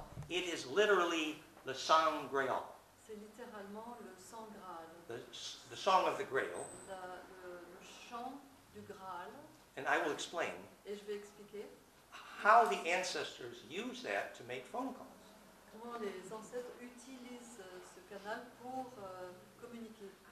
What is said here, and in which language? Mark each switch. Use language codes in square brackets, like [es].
[en] It is literally the sang grail. [fr] C'est littéralement le sang graal. [en] The song of the grail. [fr] Le chant du graal. [en] And I will explain [fr] et je vais expliquer [en] how the ancestors use that to make phone calls. [fr] Comment les ancêtres utilisent ce canal pour communiquer.